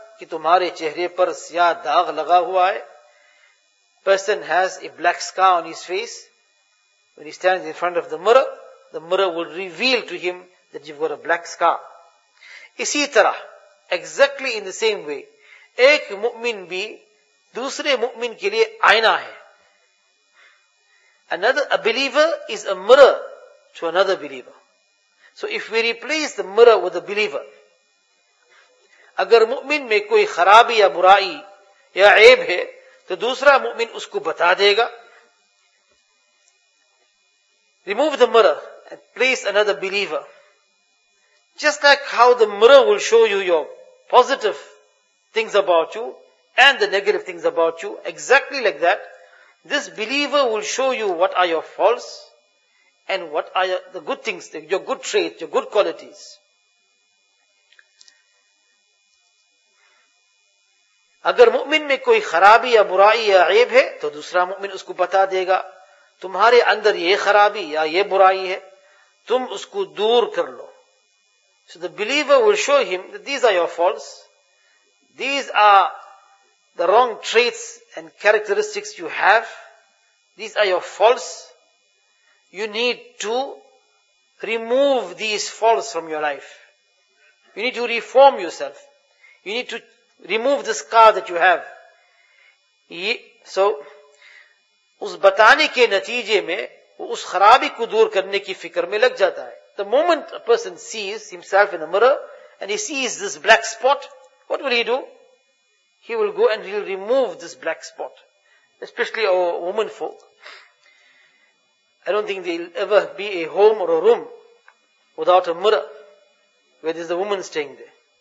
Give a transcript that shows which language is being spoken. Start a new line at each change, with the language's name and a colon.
Urdu: کہ تمہارے چہرے پر سیاہ داغ لگا ہوا ہے.
English: Person has a black scar on his face. When he stands in front of the mirror will reveal to him that you've got a black scar.
Urdu: اسی طرح,
English: exactly in the same way,
Urdu: ایک مؤمن بھی دوسرے مؤمن کے لیے آئینہ ہے.
English: A believer is a mirror to another believer. So if we replace the mirror with a believer,
Urdu: اگر مؤمن میں کوئی خرابی یا برائی یا عیب ہے تو دوسرا مؤمن اس کو بتا دے گا.
English: Remove the mirror and place another believer. Just like how the mirror will show you your positive things about you and the negative things about you, exactly like that, this believer will show you what are your faults and what are the good things, your good traits, your good qualities.
Urdu: اگر مؤمن میں کوئی خرابی یا برائی یا عیب ہے تو دوسرا مؤمن اس کو بتا دے گا, تمہارے اندر یہ خرابی یا یہ برائی ہے, تم اس کو دور کر لو.
English: So the believer will show him that these are your faults, these are the wrong traits and characteristics you have, these are your faults, you need to remove these faults from your life, you need to reform yourself, you need to remove the scar that you have.
Urdu: So, اس بتانے کے نتیجے میں وہ اس خرابی کو دور کرنے کی فکر میں لگ جاتا ہے.
English: The moment a person sees himself in the mirror and he sees this black spot, what will he do? He will go and he'll remove this black spot. Especially our woman folk. I don't think there'll ever be a home or a room without a mirror where there's a woman staying there.